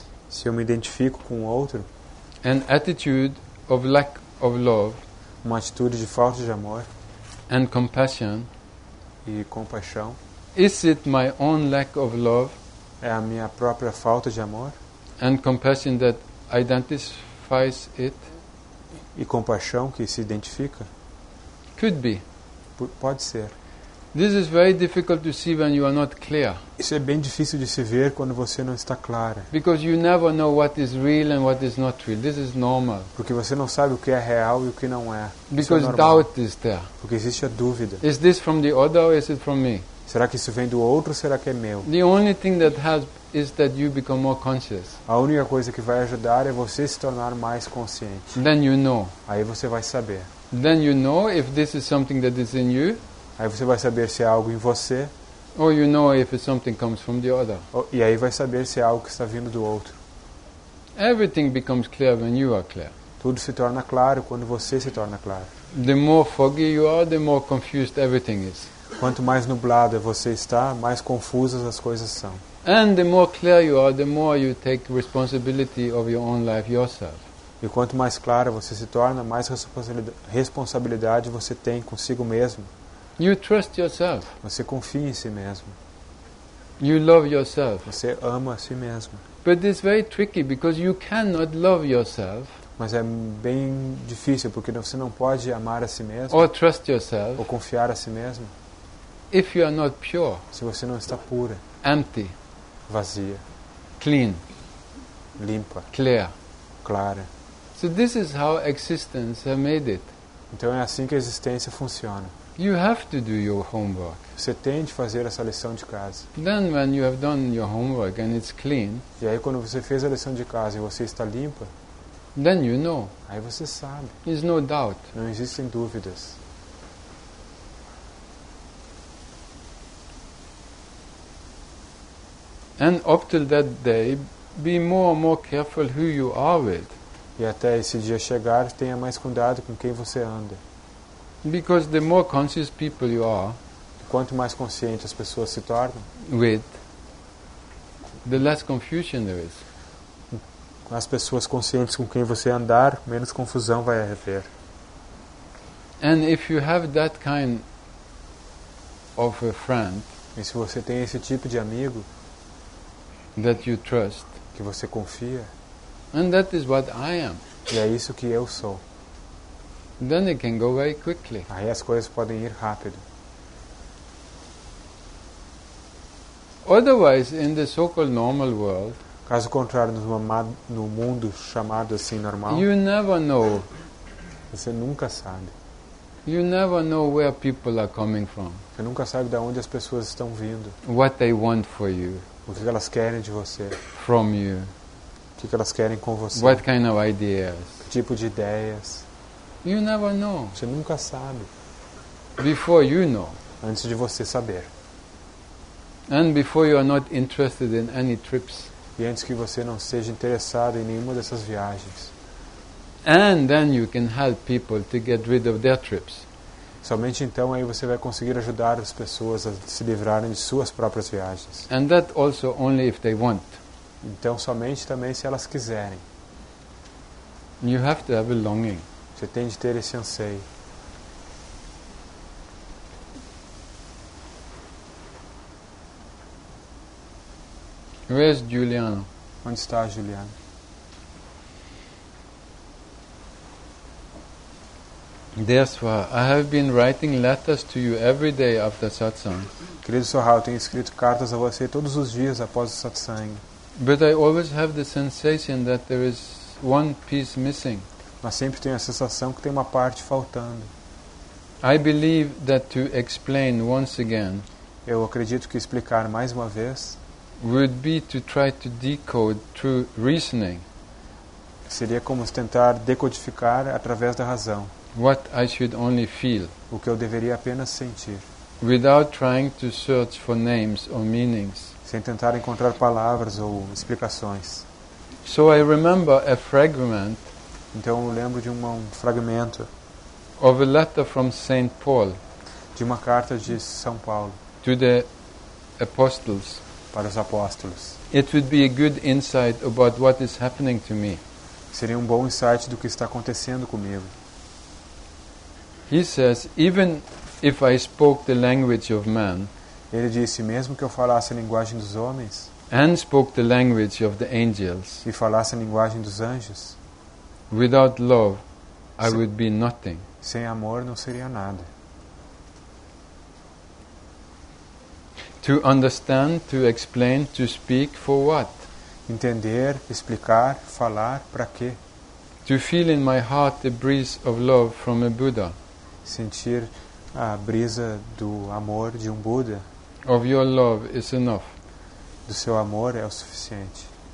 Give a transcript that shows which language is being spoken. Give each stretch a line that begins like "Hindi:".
Portuguese: se eu me identifico com o outro,
English: an attitude of lack of love,
Portuguese: uma atitude de falta de amor,
English: and compassion,
Portuguese: e compaixão,
English: is it my own lack of love,
Portuguese: é a minha própria falta de amor,
English: and compassion that identifies it,
Portuguese: e compaixão que se identifica,
English: could be,
Portuguese: pode ser.
English: This is very difficult to see when you are not clear.
Portuguese: Isso é bem difícil de se ver quando você não está clara.
English: Because you never know what is real and what is not real. This is normal.
Portuguese: Porque você não sabe o que é real e o que não é.
English: Because
Portuguese: é
English: doubt is there.
Portuguese: Porque existe a dúvida.
English: Is this from the other or is it from me?
Portuguese: Será que isso vem do outro ou será que é meu?
English: The only thing that has is that you become more conscious.
Portuguese: A única coisa que vai ajudar é você se tornar mais consciente.
English: Then you know.
Portuguese: Aí você vai saber.
English: Then you know if this is something that is in you.
Portuguese: Aí você vai saber se é algo em você.
English: Or you know if something comes from the other.
Portuguese: E aí vai saber se é algo que está vindo do outro.
English: Everything becomes clear when you are clear.
Portuguese: Tudo se torna claro quando você se torna claro.
English: The more foggy you are, the more confused everything is.
Portuguese: Quanto mais nublada você está, mais confusas as coisas são.
English: And the more clear you are, the more you take responsibility of your own life yourself.
Portuguese: E quanto mais clara você se torna, mais responsabilidade você tem consigo mesmo.
English: You trust yourself.
Portuguese: Você confia em si mesmo.
English: You love yourself.
Portuguese: Você ama a si mesmo.
English: But it's very tricky because you cannot love yourself.
Portuguese: Mas é bem difícil porque você não pode amar a si mesmo.
English: Or trust yourself.
Portuguese: Ou confiar a si mesmo.
English: If you are not pure.
Portuguese: Se você não está pura.
English: Empty.
Portuguese: Vazia.
English: Clean.
Portuguese: Limpa.
English: Clear.
Portuguese: Clara.
English: So this is how existence has made it.
Portuguese: Então é assim que a existência funciona.
English: You have to do your homework.
Portuguese: Você tem de fazer essa lição de casa.
English: Then when you have done your homework and it's clean.
Portuguese: E aí quando você fez a lição de casa e você está limpa.
English: Then you know.
Portuguese: Aí você sabe.
English: There's no doubt.
Portuguese: Não existem dúvidas.
English: And up till that day, be more and more careful who you are with.
Portuguese: E até esse dia chegar, tenha mais cuidado com quem você anda.
English: Because the more conscious people you are,
Portuguese: quanto mais consciente as pessoas se tornam,
English: with, the less confusion there is.
Portuguese: Com as pessoas conscientes com quem você andar, menos confusão vai haver.
English: And if you have that kind of a friend,
Portuguese: e se você tem esse tipo de amigo,
English: that you trust,
Portuguese: que você confia,
English: and that is what I am.
Portuguese: E é isso que eu sou.
English: Then it can go very quickly.
Portuguese: Aí as coisas podem ir rápido.
English: Otherwise, in the so-called normal world,
Portuguese: caso contrário, no mundo chamado assim normal,
English: you never know.
Portuguese: Você nunca sabe.
English: You never know where people are coming from.
Portuguese: Você nunca sabe de onde as pessoas estão vindo.
English: What they want for you.
Portuguese: O que elas querem de você.
English: From you.
Portuguese: O que elas querem com você.
English: What kind of ideas.
Portuguese: Que tipo de ideias.
English: You never know.
Portuguese: Você nunca sabe.
English: Before you know.
Portuguese: Antes de você saber.
English: And before you are not interested in any trips.
Portuguese: E antes que você não seja interessado em nenhuma dessas viagens.
English: And then you can help people to get rid of their trips.
Portuguese: Somente então aí você vai conseguir ajudar as pessoas a se livrarem de suas próprias viagens.
English: And that also only if they want.
Portuguese: Então somente também se elas quiserem.
English: You have to have a longing.
Portuguese: Você tem de ter esse anseio.
English: Where's Giuliano?
Portuguese: Onde está Giuliano?
English: Deswa, I have been writing letters to you every day after satsang.
Portuguese: Querido Sohrao, tenho escrito cartas a você todos os dias após o satsang.
English: But I always have the sensation that there is one piece missing.
Portuguese: Mas sempre tenho a sensação que tem uma parte faltando.
English: I believe that to explain once again.
Portuguese: Eu acredito que explicar mais uma vez
English: would be to try to decode through reasoning.
Portuguese: Seria como tentar decodificar através da razão.
English: What I should only feel.
Portuguese: O que eu deveria apenas sentir.
English: Without trying to search for names or meanings.
Portuguese: Sem tentar encontrar palavras ou explicações.
English: So I remember a fragment.
Portuguese: Então eu lembro de um fragmento.
English: Of a letter from Saint Paul.
Portuguese: De uma carta de São Paulo.
English: To the apostles.
Portuguese: Para os apóstolos.
English: It would be a good insight about what is happening to me.
Portuguese: Seria um bom insight do que está acontecendo comigo.
English: He says, even if I spoke the language of man,
Portuguese: ele disse, mesmo que eu falasse a linguagem dos homens,
English: and spoke the language of the angels,
Portuguese: e falasse a linguagem dos anjos,
English: without love, I would be nothing.
Portuguese: Sem amor, não seria nada.
English: To understand, to explain, to speak, for what?
Portuguese: Entender, explicar, falar, para quê?
English: To feel in my heart the breeze of love from a Buddha.
Portuguese: Sentir a brisa do amor de um Buda.
English: Of your love is enough.
Portuguese: Do seu amor é o suficiente.